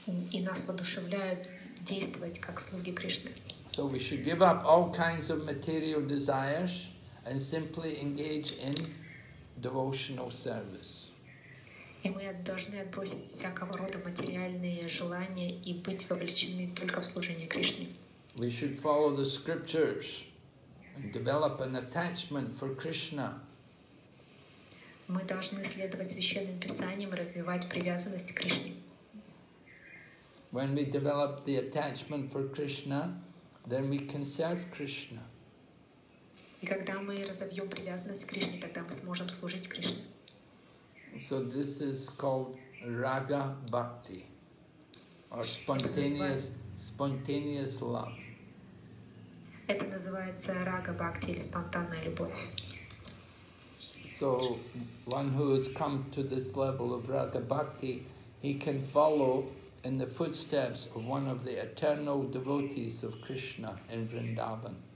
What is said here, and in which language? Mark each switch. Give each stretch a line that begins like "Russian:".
Russian: И нас воодушевляют действовать как слуги Кришны.
English: So we should give up all kinds of material desires and simply engage in devotional service.
Russian: И мы должны отбросить всякого рода материальные желания и быть вовлечены только в служение Кришне.
English: We should follow the scriptures and develop an attachment for Krishna.
Russian: Мы должны следовать священным писаниям и развивать привязанность к Кришне.
English: When we develop the attachment for Krishna, then we can serve Krishna.
Russian: И когда мы разовьем привязанность к Кришне, тогда мы сможем служить Кришне.
English: So this is called raga bhakti, or spontaneous love.
Russian: Это называется рага бхакти или спонтанная любовь.
English: So one who has come to this level of raga bhakti, he can follow in the footsteps of one of the eternal devotees of Krishna in Vrindavan.